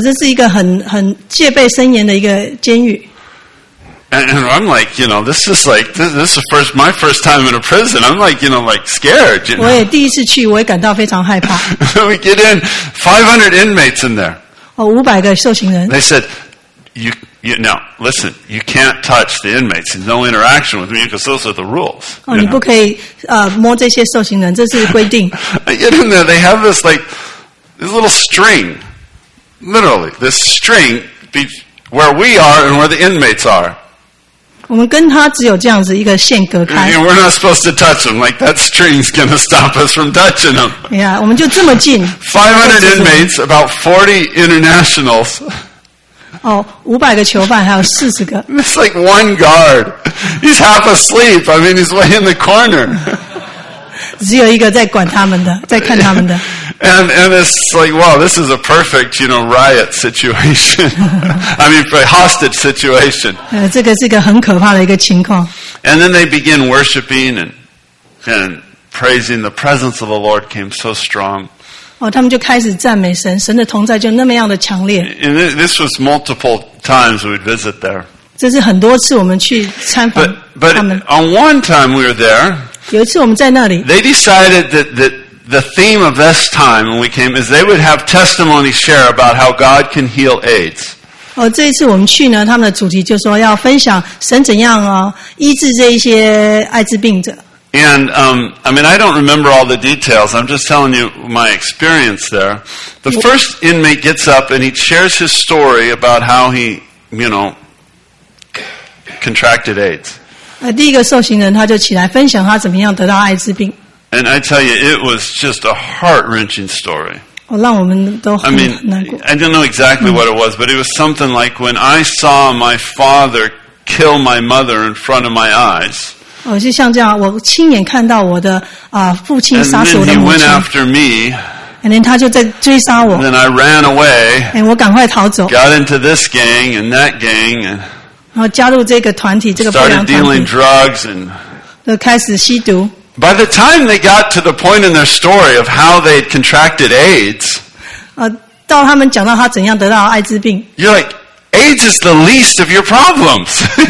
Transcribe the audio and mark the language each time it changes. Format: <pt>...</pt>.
<zh>这是一个很戒备森严的一个监狱。</zh> <en>And I'm like, this is the first, my first time in a prison. I'm like, scared.</en> <zh>我也第一次去，我也感到非常害怕。</zh> <en>We get in, 500 inmates in there.</en> <zh>500个受刑人。</zh> <en>They said, you can't touch the inmates. No interaction with me because those are the rules.</en> <zh>你不可以摸这些受刑人，这是规定。</zh> <en>I get in there, they have this little string, literally this string, where we are and where the inmates are.</en> <zh>我们跟他只有这样子一个线隔开。</zh> <en>Yeah, we're not supposed to touch them. Like, that string's going to stop us from touching them.</en> <zh>Yeah, 我们就这么近。</zh> <en>500 inmates, about 40 internationals.</en> <zh>500个囚犯还有40个。</zh> <en>It's like one guard. He's half asleep. I mean, he's way in the corner.</en> <zh>只有一个在管他们的，在看他们的。</zh> <en>And it's like, wow, this is a perfect, riot situation. I mean, a hostage situation.</en> <zh>这个是一个很可怕的一个情况。</zh> <en>And then they begin worshiping and praising. The presence of the Lord came so strong.</en> <zh>他们就开始赞美神，神的同在就那么样的强烈。</zh> <en>And this was multiple times we'd visit there.</en> <zh>这是很多次我们去参访他们。</zh> <en>But on one time we were there,</en> <zh>有一次我们在那里,</zh> <en>they decided that the theme of this time when we came is they would have testimony share about how God can heal AIDS.</en> <zh>这一次我们去呢，他们的主题就是说要分享神怎样医治这一些艾滋病者。</zh> <en>And I don't remember all the details. I'm just telling you my experience there. The first inmate gets up and he shares his story about how he, contracted AIDS.</en> <zh>第一个受刑人他就起来分享他怎么样得到艾滋病。</zh> <en>And I tell you, it was just a heart-wrenching story. I don't know exactly what it was, but it was something like when I saw my father kill my mother in front of my eyes. And then he went after me. And then</en> <zh>他就在追杀我,</zh> <en>and then I ran away.</en> <zh>And 我赶快逃走,</zh> <en>got into this gang and that gang. And</en> <zh>然后加入这个团体,</zh> <en>started dealing drugs and</en> <zh>开始吸毒。</zh> <en>By the time they got to the point in their story of how they'd contracted AIDS,</en> <zh>到他们讲到他怎样得到艾滋病,</zh> <en>you're like, AIDS is the least of your problems.</en>